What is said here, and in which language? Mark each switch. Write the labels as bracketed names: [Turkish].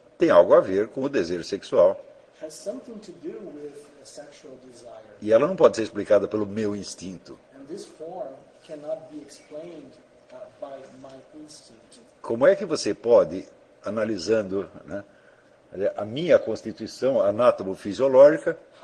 [Portuguese] tem algo a ver com o desejo sexual. [English] Has something to do with a sexual desire. [Portuguese] E ela não pode ser explicada pelo meu instinto. [English] And this form cannot be explained by my instinct. [Portuguese] Como é que você pode, analisando, né, a minha constituição anatomo-fisiológica,